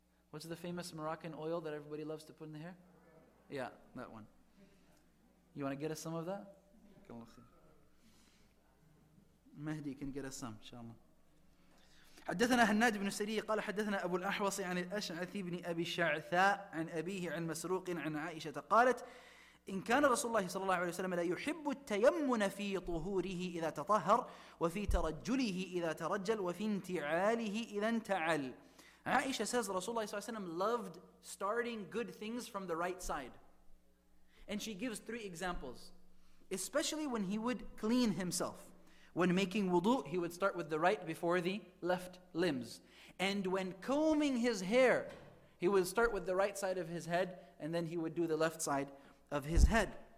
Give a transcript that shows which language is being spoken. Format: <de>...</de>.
<en>What's the famous Moroccan oil that everybody loves to put in the hair? Yeah, that one. You want to get us some of that?</en> <ar>مهدي كان قرسام إن شاء الله. حدثنا هناد بن سري قال حدثنا أبو الأحوص عن الأشعث بن أبي شعثاء عن أبيه عن مسروق عن عائشة قالت إن كان رسول الله صلى الله عليه وسلم لا يحب التيمن في طهوره إذا تطهر، وفي ترجله إذا ترجل، وفي انتعاله إذا انتعل.</ar> <en>عائشة says رسول الله صلى الله عليه وسلم loved starting good things from the right side. And she gives three examples. Especially when he would clean himself. When making wudu, he would start with the right before the left limbs. And when combing his hair, he would start with the right side of his head, and then he would do the left side of his head.</en>